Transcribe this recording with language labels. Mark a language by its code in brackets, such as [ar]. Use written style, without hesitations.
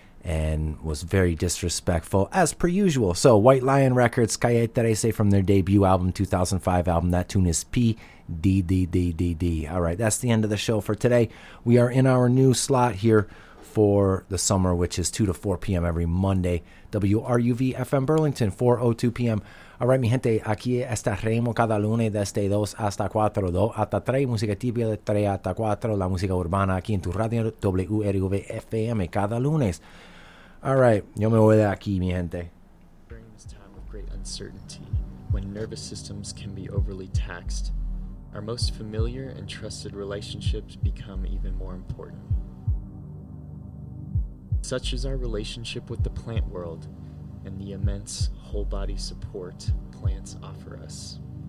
[en] And was very disrespectful, as per usual. So, White Lion Records, Calle 13, from their debut album, 2005 album. That tune is P-D-D-D-D-D. All right, that's the end of the show for today. We are in our new slot here for the summer, which is 2 to 4 p.m. every Monday. WRUV-FM Burlington, 4:02 p.m. All right, [es] mi gente, aquí estaremos cada lunes desde 2 hasta 4, 2 hasta 3, música típica de 3 hasta 4, la música urbana aquí en tu radio WRUV-FM cada lunes. [en] All right, [es] yo me voy de aquí, mi gente. [en] During this time of great uncertainty, when nervous systems can be overly taxed, our most familiar and trusted relationships become even more important. Such is our relationship with the plant world and the immense whole body support plants offer us.